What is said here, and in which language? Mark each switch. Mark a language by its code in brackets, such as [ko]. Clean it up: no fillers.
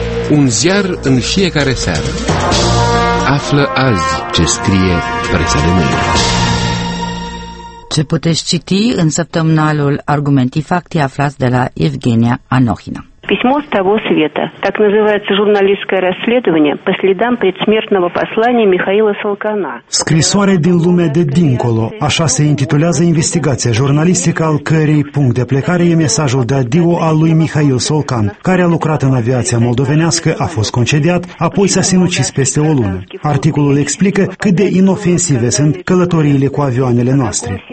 [ro] Un ziar în fiecare seară. Află azi ce scrie presa de mâine. Ce puteți citi în săptămânalul Argumentii Facti aflați de la Evgenia Anohina. [ru] Письмо с того света. Так называется журналистское расследование по следам предсмертного послания Михаила Салкана. [ro] Scrisoare din lumea de dincolo. Așa se intitulează investigația jurnalistică al cărei punct de plecare e mesajul de adio al lui Mihail Salkan, care a lucrat în aviația moldovenească, a fost concediat, apoi s-a sinucis peste o lună. Articolul explică cât de inofensive sunt călătoriile cu avioanele noastre.